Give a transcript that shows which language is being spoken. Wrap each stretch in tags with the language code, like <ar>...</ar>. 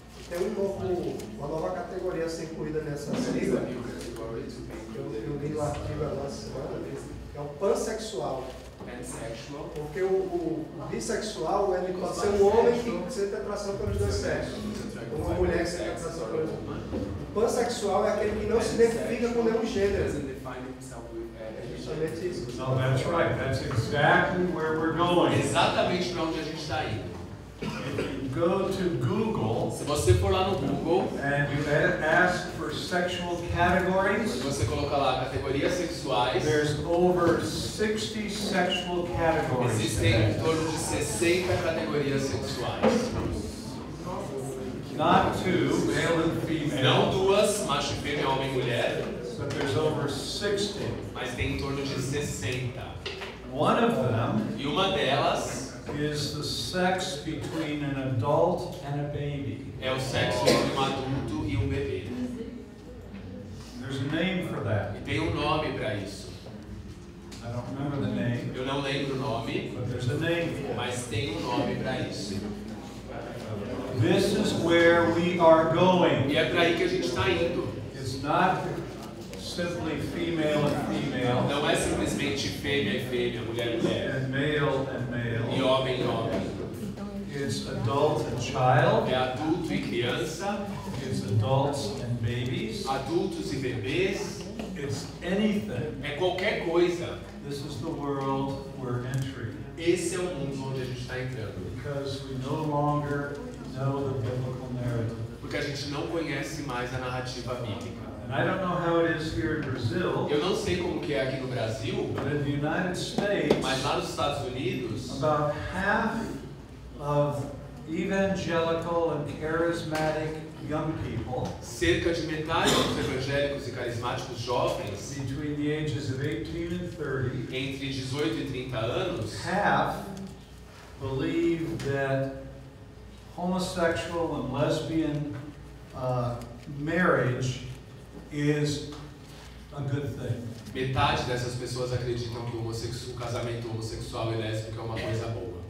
<pt>Tem um novo, uma nova categoria a ser incluída nessa sigla, eu li o artigo na semana, é o pansexual. Pansexual. Porque o bissexual, ele pode ser um homem que sente atração pelos dois sexos, ou uma mulher que sente atração pelos dois sexos. O pansexual é aquele que não se identifica com nenhum gênero. Justamente isso.</pt> <en>No, that's right, that's exactly where we're going.</en> <pt>Exatamente para onde a gente está indo.</pt> <en>Go to Google.</en> <pt>Se você for lá no Google</pt> <en>and you ask for sexual categories,</en> <pt>você coloca lá categorias sexuais,</pt> <en>there's over 60 sexual categories.</en> <pt>Existem em torno de 60 categorias sexuais.</pt> <en>Not two, male and female.</en> <pt>Não duas, macho e fêmea, homem e mulher.</pt> <en>But there's over 60.</en> <pt>Mas tem em torno de 60.</pt> <en>One of them.</en> <pt>E uma delas.</pt> <en>Is the sex between an adult and a baby.</en> <pt>É o sexo entre um adulto e um bebê.</pt> <en>There's a name for that.</en> <pt>E tem nome para isso.</pt> <en>I don't remember the name.</en> <pt>Eu não lembro o nome.</pt> <en>But there's a name for it.</en> <pt>Mas tem nome para isso.</pt> <en>This is where we are going.</en> <pt>E é para aí que a gente está indo.</pt> <en>It's not simply female and female.</en> <pt>Não é simplesmente fêmea e fêmea, mulher e mulher.</pt> <en>And male and male.</en> <pt>E homem e homem.</pt> <en>It's adult and child.</en> <pt>É adulto e criança.</pt> <en>It's adults and babies.</en> <pt>Adultos e bebês.</pt> <en>It's anything.</en> <pt>É qualquer coisa.</pt> <en>This is the world we're entering.</en> <pt>Esse é o mundo onde a gente está entrando.</pt> <en>Because we no longer know the biblical narrative.</en> <pt>Porque a gente não conhece mais a narrativa bíblica.</pt> <en>I don't know how it is here in Brazil.</en> <pt>Eu não sei como que é aqui no Brasil.</pt> <en>But in the United States,</en> <pt>mas lá nos Estados Unidos,</pt> <en>about half of evangelical and charismatic young people,</en> <pt>cerca de metade dos evangélicos e carismáticos jovens,</pt> <en>between the ages of 18 and 30,</en> <pt>entre 18 e 30 anos,</pt> <en>half believe that homosexual and lesbian marriage is a good thing.</en> <pt>Metade dessas pessoas acreditam que o casamento homossexual e lésbico é uma coisa boa.</pt>